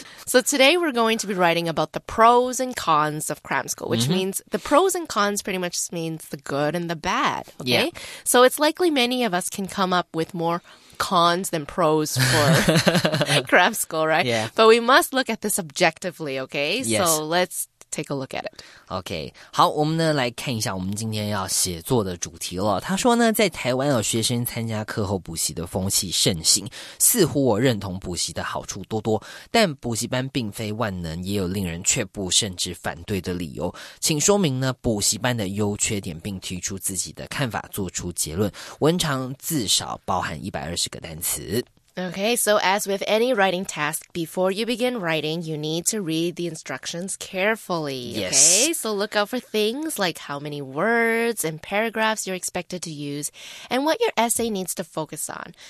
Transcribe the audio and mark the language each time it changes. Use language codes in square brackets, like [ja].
[en] So today we're going to be writing about the pros and cons of cram school, which mm-hmm. means the pros and cons pretty much means the good and the bad, okay? Yeah. So it's likely many of us can come up with more cons than pros for cram school, right? Yeah. But we must look at this objectively, okay? Yes. So let's take a look at it. [zh] OK, 好，我们呢来看一下我们今天要写作的主题了。他说呢，在台湾有学生参加课后补习的风气盛行，似乎我认同补习的好处多多，但补习班并非万能，也有令人却步甚至反对的理由。请说明呢补习班的优缺点，并提出自己的看法，做出结论。文长字少，包含120个单词。 [en] Okay, so as with any writing task, before you begin writing, you need to read the instructions carefully, okay? Yes. So look out for things like how many words and paragraphs you're expected to use and what your essay needs to focus on.